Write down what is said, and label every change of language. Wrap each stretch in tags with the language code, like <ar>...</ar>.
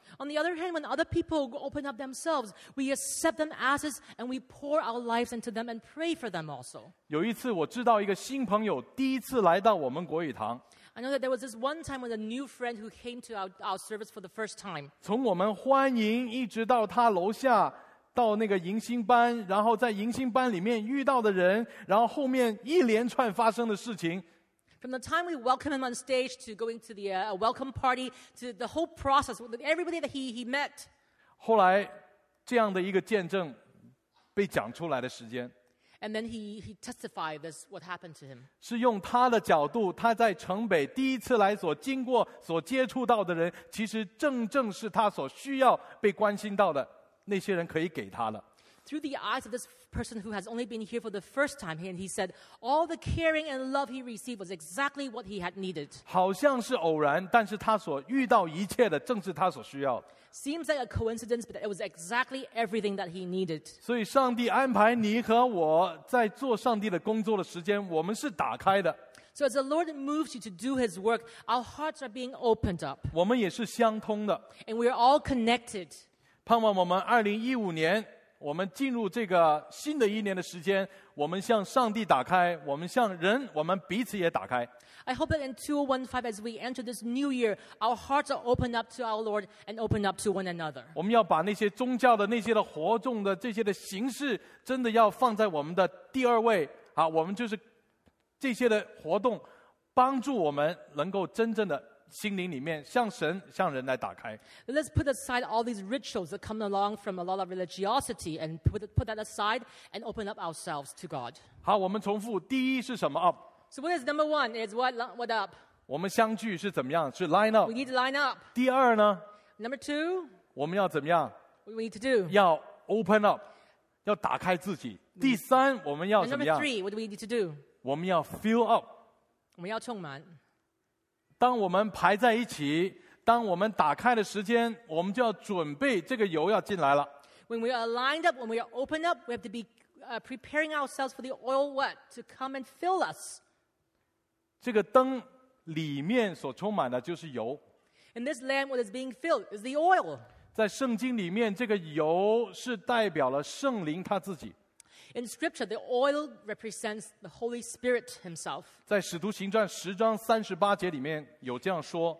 <en>On the other hand, when other people open up themselves, we accept them as is, and we pour our lives into them and pray for them also.</en> <zh>有一次我知道一个新朋友第一次来到我们国语堂。</zh> <en>I know that there was this one time when a new friend who came to our service for the first time.</en> <zh>从我们欢迎一直到他楼下到那个迎新班，然后在迎新班里面遇到的人，然后后面一连串发生的事情。</zh> <en>From the time we welcome him on stage to going to the welcome party to the whole process, everybody that he met.</en> <zh>后来这样的一个见证被讲出来的时间。</zh> <en>And then he testified this what happened to him.</en> <zh>是用他的角度，他在城北第一次来所经过所接触到的人，其实正正是他所需要被关心到的那些人可以给他的。</zh> <en>Through the eyes of this person who has only been here for the first time, and he said, all the caring and love he received was exactly what he had needed.</en> <zh>好像是偶然，但是他所遇到一切的正是他所需要。</zh> <en>Seems like a coincidence, but it was exactly everything that he needed.</en> <zh>所以上帝安排你和我在做上帝的工作的时间，我们是打开的。</zh> <en>So as the Lord moves you to do His work, our hearts are being opened up.</en> <zh>我们也是相通的。</zh> <en>And we are all connected.</en> <zh>盼望我们2015年，我们进入这个新的一年的时间，我们向上帝打开，我们向人，我们彼此也打开。</zh> <en>I hope that in 2015, as we enter this new year, our hearts are opened up to our Lord and opened up to one another.</en> <zh>我们要把那些宗教的、那些的活动的、这些的形式，真的要放在我们的第二位。啊，我们就是这些的活动，帮助我们能够真正的心灵里面向神、向人来打开。</zh> <en>Let's put aside all these rituals that come along from a lot of religiosity and put that aside and open up ourselves to God.</en> <zh>好，我们重复，第一是什么 up？</zh> <en>So what is number one? Is what up?</en> <zh>我们相聚是怎么样？是</zh> <en>line up. We need to line up.</en> <zh>第二呢？</zh> <en>Number two.</en> <zh>我们要怎么样？</zh> <en>What we need to do.</en> <zh>要</zh> <en>open up.</en> <zh>要打开自己。第三，我们要怎么样？</zh> <en>Number three. What do we need to do?</en> <zh>我们要</zh> <en>fill up.</en> <zh>我们要充满。当我们排在一起，当我们打开的时间，我们就要准备这个油要进来了。</zh> <en>When we are lined up, when we are open up, we have to be preparing ourselves for the oil what to come and fill us.</en> <zh>这个灯里面所充满的就是油。</zh> <en>And this lamp that is being filled is the oil.</en> <zh>在圣经里面，这个油是代表了圣灵他自己。</zh> <en>In Scripture, the oil represents the Holy Spirit Himself.</en> <zh>在使徒行传十章三十八节里面有这样说。</zh>